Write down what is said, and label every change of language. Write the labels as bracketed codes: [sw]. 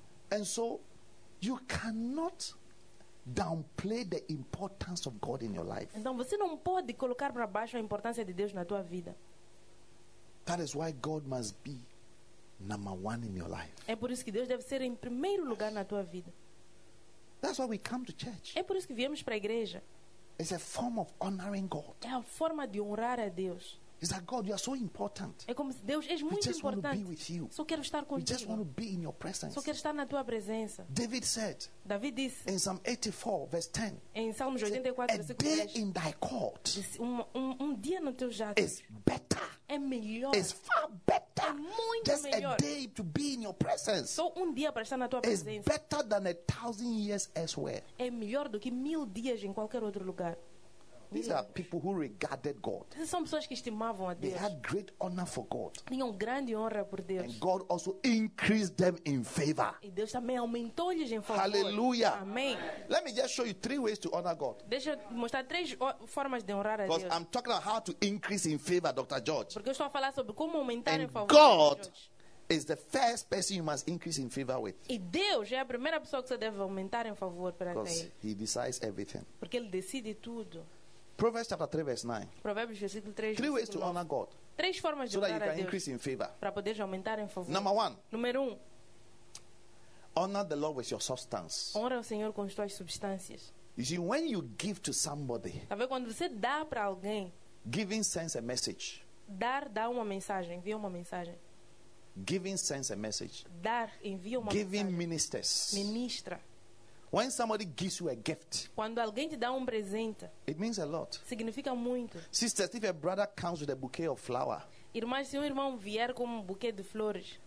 [en] And so you cannot downplay the importance of God in your life. [pt] Então você não pode colocar para baixo a importância de Deus na tua vida. [en] That is why God must be number one in your life. [pt] É por isso que Deus deve ser em primeiro lugar na tua vida. [en] That's why we come to church. [pt] É por isso que viemos para a igreja. [en] It's a form of honoring God. [pt] É a forma de honrar a Deus. [en] It's like, God, you are so important. [pt] É como se Deus é muito importante. [en] We just want to be with you. [pt] Só quero estar contigo. [en] We just want to be in your presence. [pt] Só quero estar na tua presença. [en] David said. [pt] David disse. [en] In Psalm 84, verse 10. [pt] Em Salmos 84, [en] verse 10. A day in thy court. [pt] Um dia no teu jardim. [en] Is better. [pt] É melhor. [en] Is far better. [pt] É muito [en] just [pt] melhor. [en] Just a day to be in your presence. [pt] Só dia para estar na tua presença. [en] Is better than 1,000 years elsewhere. [pt] É melhor do que 1,000 dias em qualquer outro lugar. [en] These are people who regarded God. [pt] São pessoas que estimavam a Deus. [en] They had great honor for God. [pt] Tinham grande honra por Deus. [en] And God also increased them in favor. [pt] E Deus também aumentou-lhes em favor. [en] Hallelujah. [pt] Amém. [en] Let me just show you 3 ways to honor God. [pt] Deixa eu mostrar 3 formas de honrar a Deus. [en] Because I'm talking about how to increase in favor, Dr. George. [pt] Porque eu estou a falar sobre como aumentar [en] and [pt] em favor. [en] God is the first person you must increase in favor with. [pt] E Deus é a primeira pessoa que você deve aumentar em favor para [en] Because [pt] ele. [en] Because He decides everything. [pt] Porque ele decide tudo. [en] Proverbs chapter 3 verse 9. [pt] Provérbios versículo 3. [en] 3 ways to honor God. [pt] 3 formas de honrar a Deus. [en] So that you can increase in favor. [pt] Para poder aumentar em favor. [en] Number 1. [pt] Número 1. [en] Honor the Lord with your substance. [pt] Honra o Senhor com as tuas substâncias. [en] You see, when you give to somebody. [pt] Tá vendo quando você dá para alguém? [en] Giving sends a message. [pt] Dar uma mensagem, envia uma mensagem. [en] Giving sends a message. [pt] Dar envia uma [en] giving [pt] mensagem. [en] Giving ministers. [pt] Ministra. [en] When somebody gives you a gift, [pt] quando alguém te dá presente, [en] it means a lot. [pt] Significa muito. [en] Sisters, if a brother comes with a bouquet of flowers, [pt] irmãs, se irmão vier com buquê de flores,